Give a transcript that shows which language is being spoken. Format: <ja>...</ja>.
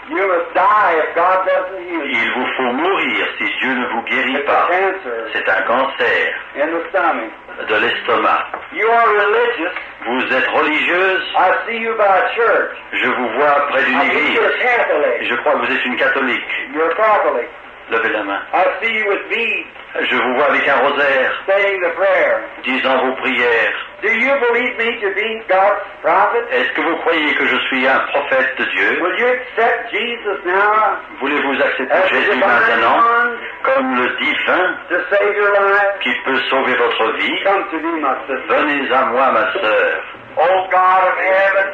<en>You must die if God doesn't heal you.</en> <fr>Il vous faut mourir si Dieu ne vous guérit</fr> <en>It's</en> <fr>pas.</fr> <en>A cancer.</en> <fr>C'est un cancer.</fr> <en>In the stomach.</en> <fr>De l'estomac.</fr> <en>You are religious.</en> <fr>Vous êtes religieuse.</fr> <en>I see you by a church.</en> <fr>Je vous vois près d'une église.</fr> <en>I think you're Catholic.</en> <fr>Je crois que vous êtes une catholique.</fr> <en>You're Catholic.</en> <fr>Levez la main.</fr> <en>I see you with beads.</en> <fr>Je vous vois avec un rosaire.</fr> <en>Saying the prayer.</en> <fr>Disant vos prières.</fr> <en>Do you believe me to be God's prophet?</en> <fr>Est-ce que vous croyez que je suis un prophète de Dieu?</fr> <en>Will you accept Jesus now?</en> <fr>Voulez-vous accepter Jésus maintenant comme le divin</fr> <en>to save your life?</en> <fr>Qui peut sauver votre vie?</fr> <en>Come to me, my sister.</en> <fr>Venez à moi, ma sœur.</fr> <en>O God of heaven,</en>